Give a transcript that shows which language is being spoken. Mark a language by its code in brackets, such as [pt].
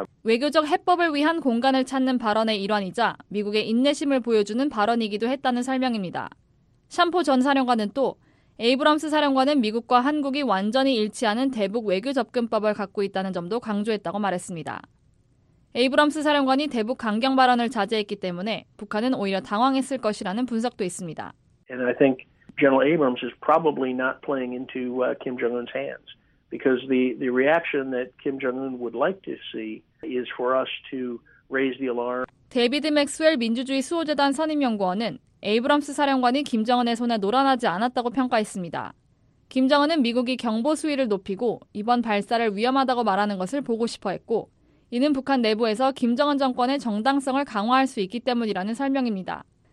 [ko] 외교적 해법을 위한 공간을 찾는 발언의 일환이자 미국의 인내심을 보여주는 발언이기도 했다는 설명입니다. 샴포 전 사령관은 또 에이브럼스 사령관은 미국과 한국이 완전히 일치하는 대북 외교 접근법을 갖고 있다는 점도 강조했다고 말했습니다. 에이브럼스 사령관이 대북 강경 발언을 자제했기 때문에 북한은 오히려 당황했을 것이라는 분석도 있습니다. [en] And I think General Abrams is probably not playing into Kim Jong-un's hands because the reaction that Kim Jong-un would like to see is for us to raise the alarm. [ko] 데이비드 맥스웰 민주주의 수호재단 선임 연구원은 에이브럼스 사령관이 김정은의 손에 놀아나지 않았다고 평가했습니다. 김정은은 미국이 경보 수위를 높이고 이번 발사를 위험하다고 말하는 것을 보고 싶어 했고 이는 북한 내부에서 김정은 정권의 정당성을 강화할 수 있기 때문이라는 설명입니다.